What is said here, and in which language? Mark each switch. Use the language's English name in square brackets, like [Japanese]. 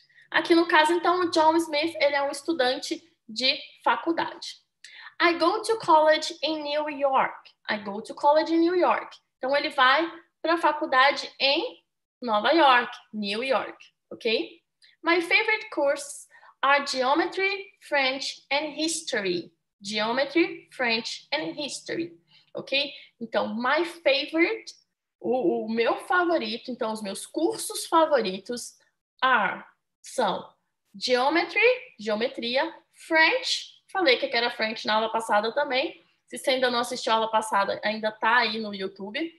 [Portuguese] Aqui no caso, então, o John Smith, ele é um estudante de faculdade. [English] I go to college in New York. I go to college in New York. [Portuguese] Então, ele vai para a faculdade em Nova York, New York, ok? [English] My favorite courses are geometry, French, and history. Geometry, French, and history, ok? [Portuguese] Então, [English] my favorite, [Portuguese] o meu favorito, então, os meus cursos favoritos são geometry, geometria, French. Falei que era French na aula passada também. Se você ainda não assistiu a aula passada, ainda tá aí no YouTube.